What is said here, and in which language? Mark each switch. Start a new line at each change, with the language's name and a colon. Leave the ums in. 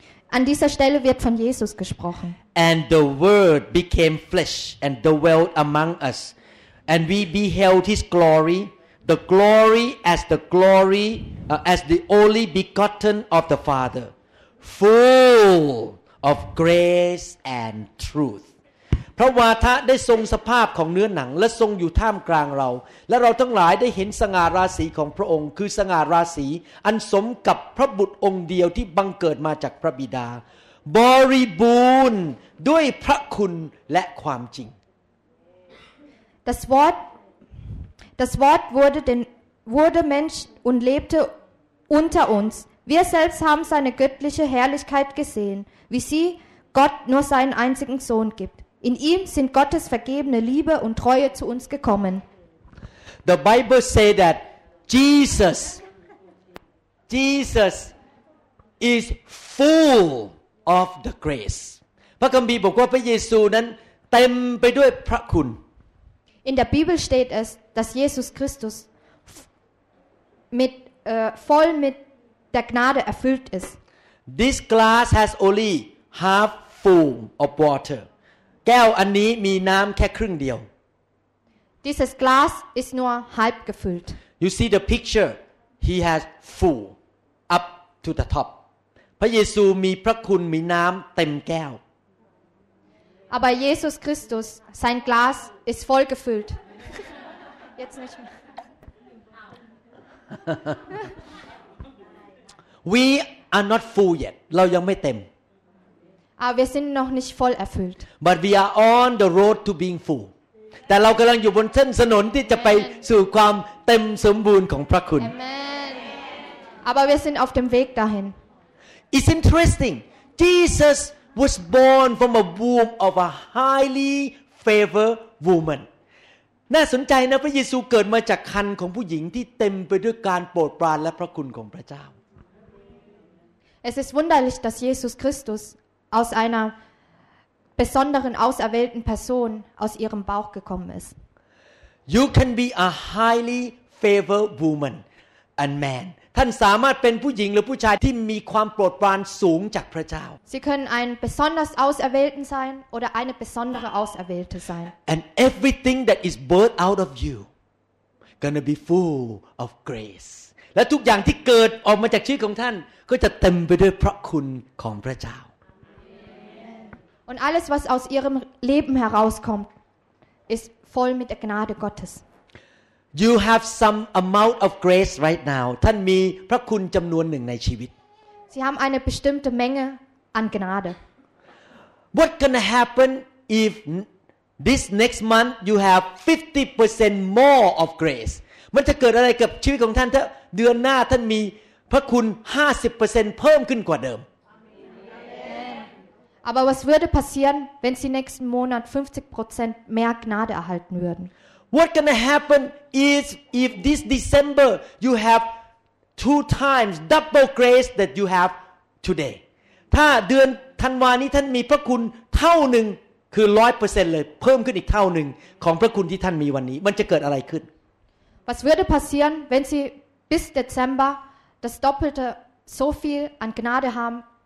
German: An dieser Stelle wird von Jesus gesprochen.
English: And the word became flesh and dwelt among us and we beheld his glory the glory as the glory uh, as the only begotten of the father full of grace and truth.
Thai: พระวาทะได้ทรงสภาพของเนื้อหนังและทรงอยู่ท่ามกลางเรา และเราทั้งหลายได้เห็นสง่าราศีของพระองค์ คือสง่าราศีอันสมกับพระบุตรองค์เดียวที่บังเกิดมาจากพระบิดา บริบูรณ์ด้วยพระคุณและความจริง
German: Das Wort Das Wort wurde den wurde Mensch und lebte unter uns Wir selbst haben seine göttliche Herrlichkeit gesehen wie sie Gott nur seinen einzigen Sohn gibt In ihm sind Gottes vergebene Liebe und Treue zu uns gekommen.
English: The Bible say that Jesus, Jesus is full of the grace.
Thai: พระคัมภีร์บอกว่าพระเยซูนั้นเต็มไปด้วยพระคุณ
German: In der Bibel steht es, dass Jesus Christus mit, uh, voll mit der Gnade erfüllt ist.
English: This glass has only half full of water.
Thai: แก้วอันนี้มีน้ำแค่ครึ่งเดียว
German: Dieses Glas ist nur halb gefüllt.
English: You see the picture. He has full up to the top.
Thai: พระเยซูมีพระคุณมีน้ำเต็มแก้ว
German: Aber Jesus Christus, sein Glas ist voll gefüllt. Jetzt nicht mehr.
English: We are not full yet.
Thai: เรายังไม่เต็ม
German: Aber wir sind noch nicht voll erfüllt.
English: But we are on the road to being full.
Thai: แต่เรากำลังอยู่บนเส้นถนนที่จะไปสู่ความเต็มสมบูรณ์ของพระคุณ Amen.
German: Aber wir sind auf dem Weg dahin.
English: It's interesting. Jesus was born from a womb of a highly favored woman.
Thai: น่าสนใจนะพระเยซูเกิดมาจากคันของผู้หญิงที่เต็มไปด้วยการโปรดปรานและพระคุณของพระเจ้า
German: Es ist wunderlich, dass Jesus Christus aus einer besonderen auserwählten Person aus ihrem Bauch gekommen ist.
English: You can be a highly favored woman and man.
Thai: ท่านสามารถเป็นผู้หญิงหรือผู้ชายที่มีความโปรดปรานสูงจากพระเจ้า
German: Sie können ein besonders auserwählten sein oder eine besondere auserwählte sein.
English: And everything that is birthed out of you gonna be full of grace.
Thai: และทุกอย่างที่เกิดออกมาจากชีวิตของท่านก็จะเต็มไปด้วยพระคุณของพระเจ้า
German: Und alles, was aus ihrem Leben herauskommt, ist voll mit der Gnade Gottes.
English: You have some amount of grace right now.
Thai: ท่านมีพระคุณจำนวนหนึ่งในชีวิต
German: Sie haben eine bestimmte Menge an Gnade.
English: What gonna happen if this next month you have 50% more of grace?
Thai: มันจะเกิดอะไรกับชีวิตของท่านถ้าเดือนหน้าท่านมีพระคุณ50%เพิ่มขึ้นกว่าเดิม
German: Aber was würde passieren, wenn sie nächsten Monat 50% mehr Gnade erhalten würden?
English: What gonna happen is if this December you have two times double grace that you have today.
Thai: ถ้าเดือนธันวานี้ท่านมีพระคุณเท่าหนึ่ง คือร้อยเปอร์เซ็นต์เลย เพิ่มขึ้นอีกเท่าหนึ่งของพระคุณที่ท่านมีวันนี้ มันจะเกิดอะไรขึ้น
German: Was würde passieren, wenn Sie bis Dezember das Doppelte so viel an Gnade haben